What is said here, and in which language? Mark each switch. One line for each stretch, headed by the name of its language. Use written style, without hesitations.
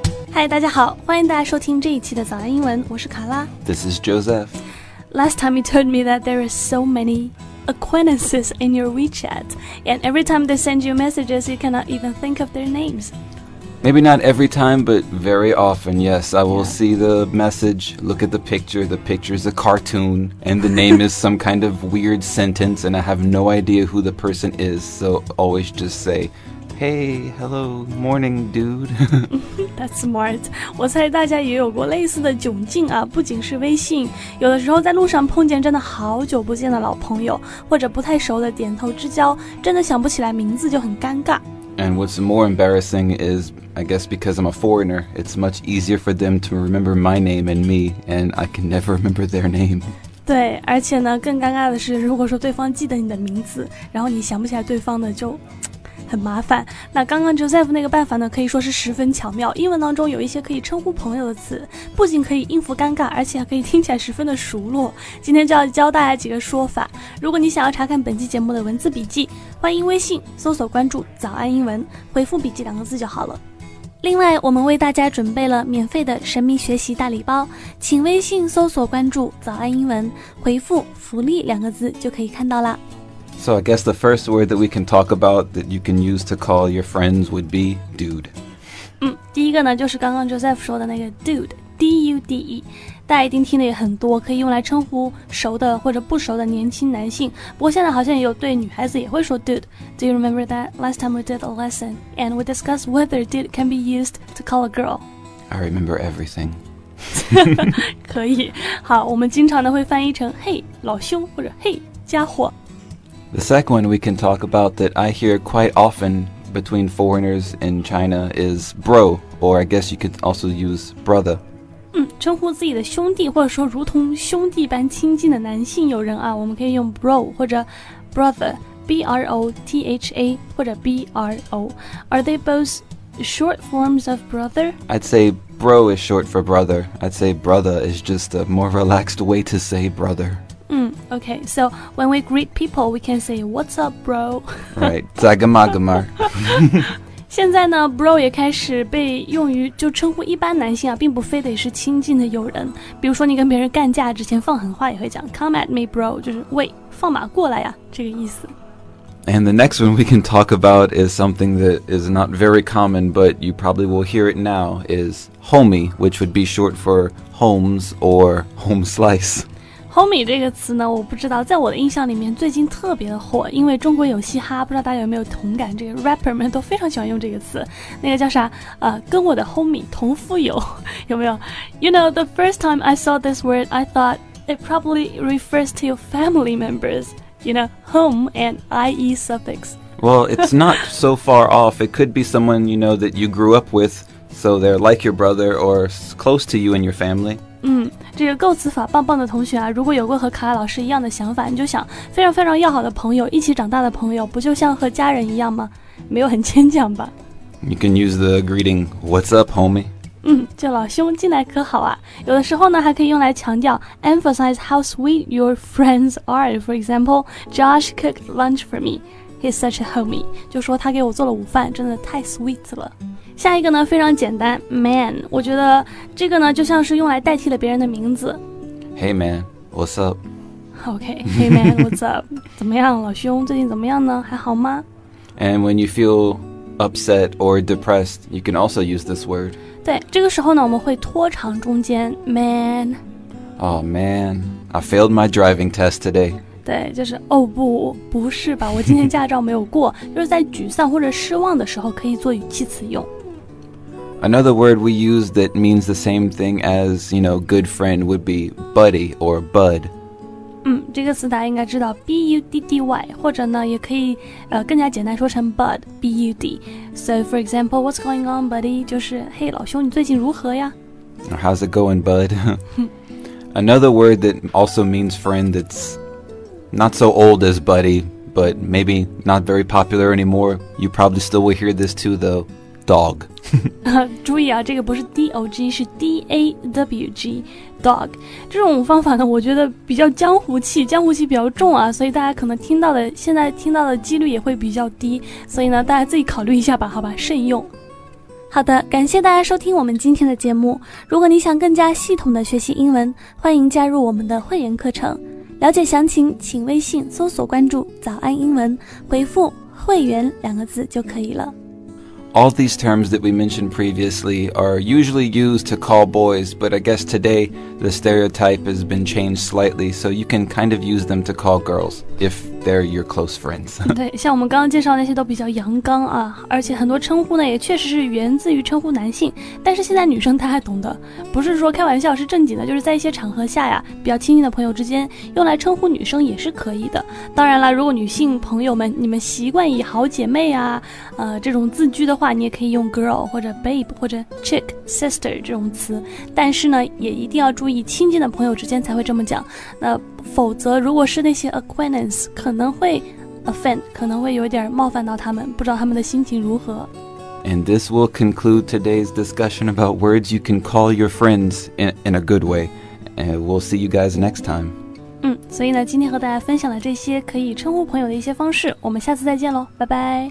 Chinese: 嗨，大家好，欢迎大家收听这一期的早安英文，我是卡拉。
English: This is Joseph. Last time you told me that there are so many acquaintances in your WeChat, and every time they send you messages, you cannot even think of their names. Maybe not every time, but very often, yes. I will see the message, look at the picture is a cartoon, and the name is some kind of weird sentence, and I have no idea who the person is, so always just say... Hey, hello, morning, dude. That's smart.
Chinese: 我猜大家也有过类似的窘境啊，不仅是微信，有的时候在路上碰见真的好久不见的老朋友，或者不太熟的点头之交，真的想不起来名字就很尴尬。
English: And what's more embarrassing is, I guess because I'm a foreigner, it's much easier for them to remember my name and me, and I can never remember their name.
Chinese: 对，而且呢，更尴尬的是，如果说对方记得你的名字，然后你想不起来对方的就很麻烦。那刚刚 Joseph 那个办法呢，可以说是十分巧妙。英文当中有一些可以称呼朋友的词，不仅可以应付尴尬，而且还可以听起来十分的熟络。今天就要教大家几个说法。如果你想要查看本期节目的文字笔记，欢迎微信搜索关注早安英文，回复笔记两个字就好了。另外，我们为大家准备了免费的神秘学习大礼包，请微信搜索关注早安英文，回复福利两个字就可以看到了。
English: So I guess the first word that we can talk about that you can use to call your friends would be dude.
Chinese: 第一个呢就是刚刚 Joseph 说的那个 dude, D-U-D-E. 大家一定听的也很多，可以用来称呼熟的或者不熟的年轻男性。不过现在好像也有对女孩子也会说 dude.
English: Do you remember that last time we did a lesson? And we discussed whether dude can be used to call a girl. I remember everything.
Chinese: 可以。好，我们经常呢会翻译成 hey, 老兄或者 hey, 家伙。
English: The second one we can talk about that I hear quite often between foreigners in China is bro, or I guess you could also use brother.
Chinese: 称呼自己的兄弟或者说如同兄弟般亲近的男性友人啊，我们可以用 bro 或者 brother, B-R-O-T-H-A 或者 B-R-O.
English: Are they both short forms of brother? I'd say bro is short for brother. I'd say brother is just a more relaxed way to say brother. Okay, so when we greet people, we can say, what's up, bro?
Chinese: Right, 在干嘛干嘛。现在呢 ,bro 也开始被用于就称呼一般男性啊，并不非得是亲近的友人。比如说你跟别人干架之前放狠话也会讲
English: come at me, bro,
Chinese: 就是喂放马过来啊这个意思。
English: And the next one we can talk about is something that is not very common, but you probably will hear it now, is homie, which would be short for homes or home slice.
Chinese: Homie 这个词呢，我不知道，在我的印象里面最近特别的火，因为中国有嘻哈，不知道大家有没有同感，这个 rapper 们都非常喜欢用这个词，那个叫啥跟我的 homie 同富有，有没有？
English: You know, the first time I saw this word, I thought it probably refers to your family members, you know, home and IE suffix. Well, it's not so far off. It could be someone, you know, that you grew up with, so they're like your brother or close to you and your family.
Chinese: 这个构词法棒棒的同学啊，如果有过和卡拉老师一样的想法，你就想非常非常要好的朋友，一起长大的朋友，不就像和家人一样吗？没有很牵强吧。
English: You can use the greeting, what's up homie?
Chinese: 就老兄进来可好啊。有的时候呢还可以用来强调 emphasize how sweet your friends are.
English: For example, Josh cooked lunch for me. He's such a homie.
Chinese: 就说他给我做了午饭，真的太 sweet 了。下一个呢非常简单 ，man。我觉得这个呢就像是用来代替了别人的名字。
English: Hey man, what's up? Okay, hey man, what's up?
Chinese: 怎么样，老兄？最近怎么样呢？还好吗
English: ？And when you feel upset or depressed, you can also use this word.
Chinese: 对，这个时候呢，我们会拖长中间 ，man.
English: Oh man, I failed my driving test today.
Chinese: 对，就是哦不，不是吧，我今天驾照没有过。就是在沮丧或者失望的时候可以做语气词用。
English: Another word we use that means the same thing as, you know, good friend would be buddy or bud.
Chinese: 这个词大家应该知道 B-U-D-D-Y, 或者呢也可以更加简单说成 bud, B-U-D.
English: So for example, what's going on, buddy?
Chinese: 就是嘿、hey, 老兄你最近如何呀
English: How's it going, bud? Another word that also means friend that'snot so old as buddy, but maybe not very popular anymore. You probably still will hear this too, though. Dog.
Chinese: 注意啊，这个不是 D-O-G, 是 D-A-W-G. Dog. 这种方法呢，我觉得比较江湖气，江湖气比较重啊，所以大家可能听到的，现在听到的几率也会比较低。所以呢，大家自己考虑一下吧，好吧，慎用。好的，感谢大家收听我们今天的节目。如果你想更加系统的学习英文，欢迎加入我们的会员课程。了解详情，请微信搜索关注早安英文，回复会员两个字就可以了。
English: All these terms that we mentioned previously are usually used to call boys, but I guess today the stereotype has been changed slightly, so you can kind of use them to call girls if they're your close friends.
Chinese: 对，像我们刚刚介绍那些都比较阳刚啊，而且很多称呼呢也确实是源自于称呼男性，但是现在女生她还懂得，不是说开玩笑，是正经的，就是在一些场合下呀，比较亲近的朋友之间用来称呼女生也是可以的。当然了，如果女性朋友们你们习惯以好姐妹啊这种字句的话，你也可以用 girl 或者 babe 或者 chick sister 这种词，但是呢也一定要注意亲近的朋友之间才会这么讲，那否则如果是那些 acquaintance 可能会 offend， 可能会有点冒犯到他们，不知道他们的心情如何。
English: And this will conclude today's discussion about words you can call your friends in a good way. And we'll see you guys next time.
Chinese: 所以呢今天和大家分享了这些可以称呼朋友的一些方式，我们下次再见咯，拜拜。